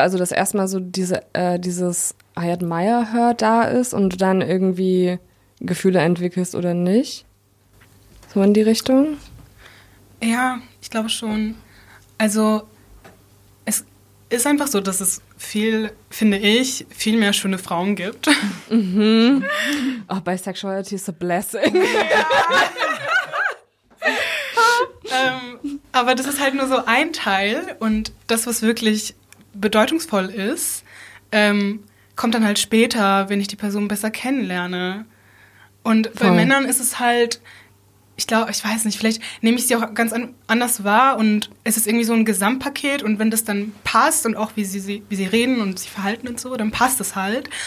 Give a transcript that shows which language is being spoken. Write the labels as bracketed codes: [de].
[de] Also das erstmal so dieses [en] I admire her [de] da ist und du dann irgendwie Gefühle entwickelst oder nicht? So in die Richtung? Ja, ich glaube schon. Also es ist einfach so, dass es viel, finde ich, viel mehr schöne Frauen gibt. [en] Oh, bisexuality is a blessing. [de] Ja. aber das ist halt nur so ein Teil und das, was wirklich bedeutungsvoll ist, kommt dann halt später, wenn ich die Person besser kennenlerne. Und bei Männern ist es halt, ich glaube, ich weiß nicht, vielleicht nehme ich sie auch ganz anders wahr und es ist irgendwie so ein Gesamtpaket und wenn das dann passt und auch wie sie reden und sich verhalten und so, dann passt es halt.